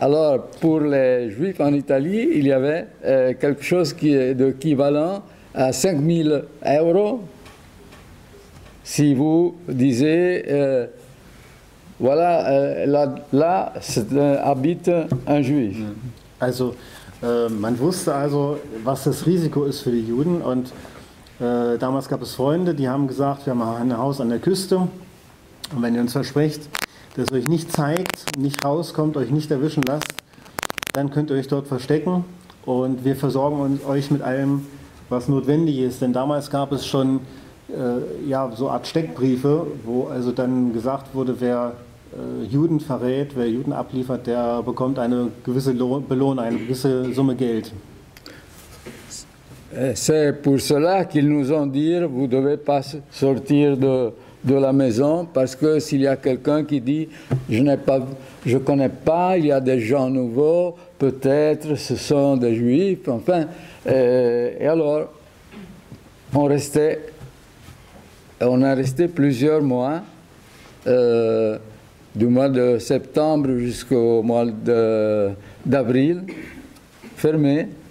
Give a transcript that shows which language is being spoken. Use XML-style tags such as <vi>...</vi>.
<fr>Alors, pour les Juifs en Italie, il y avait quelque chose qui est d'équivalent à 5 000 euros. Si vous disiez, voilà, là habite un Juif.</fr> <de>Also, man wusste also, was das Risiko ist für die Juden. Und damals gab es Freunde, die haben gesagt, wir haben ein Haus an der Küste. Und wenn ihr uns verspricht, dass euch nicht zeigt, nicht rauskommt, euch nicht erwischen lasst, dann könnt ihr euch dort verstecken und wir versorgen euch mit allem, was notwendig ist. Denn damals gab es schon so Art Steckbriefe, wo also dann gesagt wurde, wer Juden verrät, wer Juden abliefert, der bekommt eine gewisse Belohnung, eine gewisse Summe Geld.</de> <fr>C'est pour cela qu'ils nous ont dit, vous ne devez pas sortir de la maison, parce que s'il y a quelqu'un qui dit, je ne connais pas, il y a des gens nouveaux, peut-être ce sont des juifs, enfin. Et alors, on a resté plusieurs mois, du mois de septembre jusqu'au mois d'avril, fermés.</fr>